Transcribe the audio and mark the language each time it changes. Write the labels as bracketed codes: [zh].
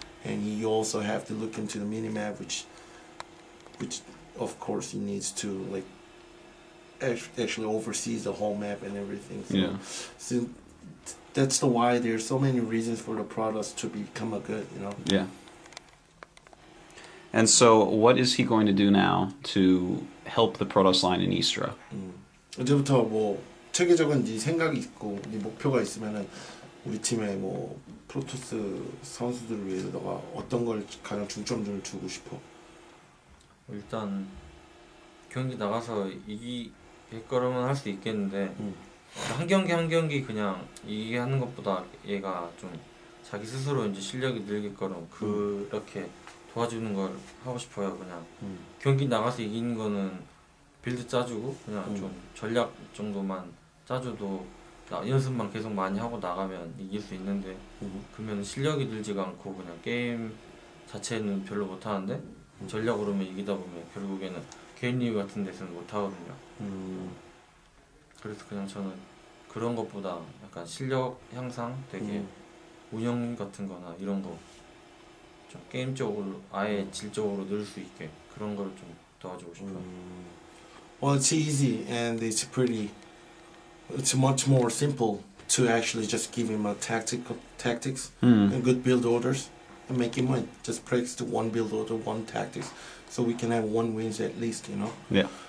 [en] And you also have to look into the minimap, which of course he needs to like actually oversees the whole map and everything. So, that's the why there's so many reasons for the Protoss to become a good, you know. Yeah. And so what is he going to do now to help the Protoss line in eSTRO? [ko] 이제부터 뭐 체계적인 네 생각이 있고 네 목표가 있으면은 우리 팀에 뭐 프로토스 선수들을 위해서 너가 어떤 걸 가장 중점적으로 두고 싶어? 일단 경기 나가서 이길 거라면 할 수 있겠는데 한 경기 한 경기 그냥 이기게 하는 것보다 얘가 좀 자기 스스로 이제 실력이 늘겠거나 그렇게 도와주는 걸 하고 싶어요 그냥 경기 나가서 이기는 거는 빌드 짜주고 그냥 좀 전략 정도만 짜줘도 연습만 계속 많이 하고 나가면 이길 수 있는데 그러면 실력이 늘지가 않고 그냥 게임 자체는 별로 못하는데 전략으로만 이기다 보면 결국에는 개인 리그 같은 데서는 못하거든요. 그래서 그냥 저는 그런 것보다 약간 실력 향상 되게 운영 같은 거나 이런 거 좀 게임 쪽으로 아예 질적으로 늘 수 있게 그런 거를 좀 도와주고 싶어요. [en] Well, it's easy and it's much more simple to actually just give him a tactics and good build orders. And make him win. Just practice to one build or to one tactics, so we can have one wins at least, you know. Yeah.